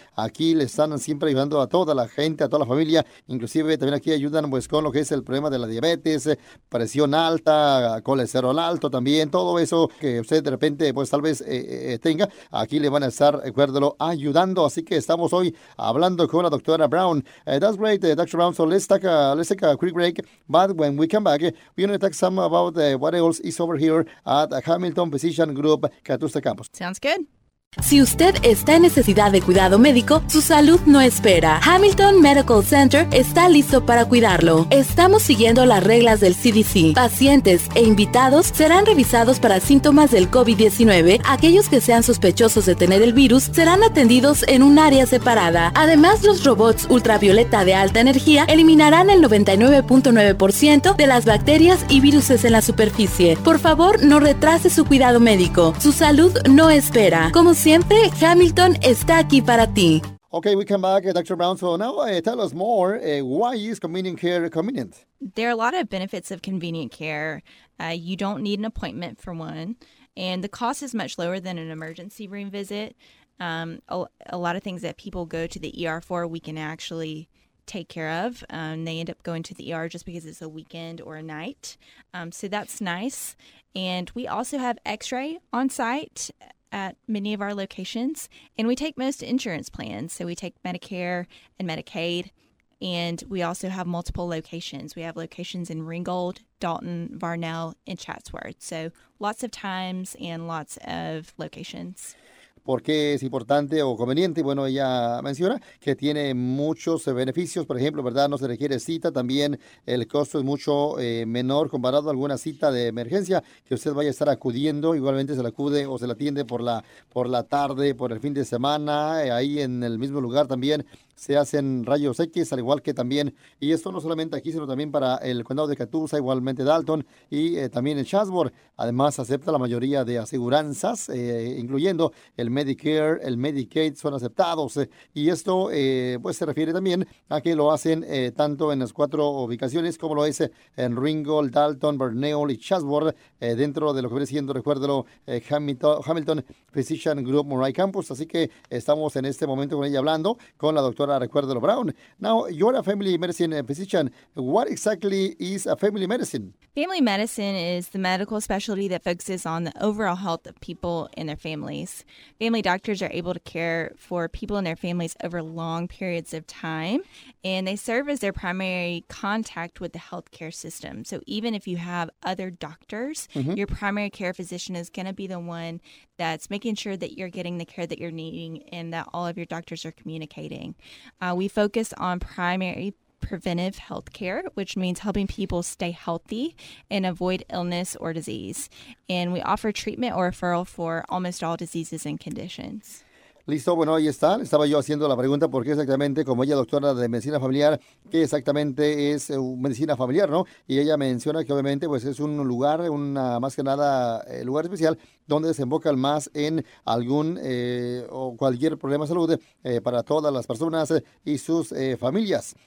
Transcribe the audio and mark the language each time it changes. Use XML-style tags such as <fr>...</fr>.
<es>Aquí le están siempre ayudando a toda la gente, a toda la familia. Inclusive también aquí ayudan pues con lo que es el problema de la diabetes, presión alta, colesterol alto también, todo eso que usted de repente pues tal vez tenga. Aquí le van a estar, acuérdelo, ayudando. Así que estamos hoy hablando con la doctora Brown.</es> <en>That's great, Dr. Brown. So let's take a quick break. But when we come back, we're going to talk some about what else is over here at Hamilton Physician Group, Catusta Campus. Sounds good.</en> <es>Si usted está en necesidad de cuidado médico, su salud no espera. Hamilton Medical Center está listo para cuidarlo. Estamos siguiendo las reglas del CDC. Pacientes e invitados serán revisados para síntomas del COVID-19. Aquellos que sean sospechosos de tener el virus serán atendidos en un área separada. Además, los robots ultravioleta de alta energía eliminarán el 99.9% de las bacterias y virus en la superficie. Por favor, no retrase su cuidado médico. Su salud no espera. Como siempre, Hamilton está aquí para ti.</es> <en>Okay, we come back, Dr. Brown. So now tell us more. Why is convenient care convenient? There are a lot of benefits of convenient care. You don't need an appointment for one. And the cost is much lower than an emergency room visit. A lot of things that people go to the ER for, we can actually take care of. They end up going to the ER just because it's a weekend or a night. So that's nice. And we also have x-ray on site at many of our locations, and we take most insurance plans. So we take Medicare and Medicaid, and we also have multiple locations. We have locations in Ringgold, Dalton, Varnell, and Chatsworth. So lots of times and lots of locations.</en> <es>¿Por qué es importante o conveniente? Bueno, ella menciona que tiene muchos beneficios, por ejemplo, ¿verdad? No se requiere cita, también el costo es mucho menor comparado a alguna cita de emergencia que usted vaya a estar acudiendo, igualmente se la acude o se la atiende por la tarde, por el fin de semana, ahí en el mismo lugar también se hacen rayos X, al igual que también, y esto no solamente aquí, sino también para el condado de Catoosa, igualmente Dalton y también en Chatsworth. Además, acepta la mayoría de aseguranzas, incluyendo el Medicare, el Medicaid, son aceptados. Y esto pues se refiere también a que lo hacen tanto en las 4 ubicaciones, como lo es en Ringgold, Dalton, Verneuil y Chatsworth, dentro de lo que viene siendo, recuérdelo, Hamilton Physician Group, Murray Campus. Así que estamos en este momento con ella hablando, con la doctora doctora, recuérdelo, Brown.</es> <en>Now, you're a family medicine physician. What exactly is a family medicine? Family medicine is the medical specialty that focuses on the overall health of people and their families. Family doctors are able to care for people and their families over long periods of time, and they serve as their primary contact with the healthcare system. So even if you have other doctors, mm-hmm. your primary care physician is going to be the one that's making sure that you're getting the care that you're needing and that all of your doctors are communicating. We focus on primary preventive health care, which means helping people stay healthy and avoid illness or disease. And we offer treatment or referral for almost all diseases and conditions.</en> <es>Listo, bueno, ahí está. Estaba yo haciendo la pregunta porque exactamente, como ella doctora de medicina familiar, ¿qué exactamente es medicina familiar, no? Y ella menciona que obviamente pues es un lugar, una más que nada lugar especial, donde desemboca más en algún o cualquier problema de salud para todas las personas y sus familias.</es>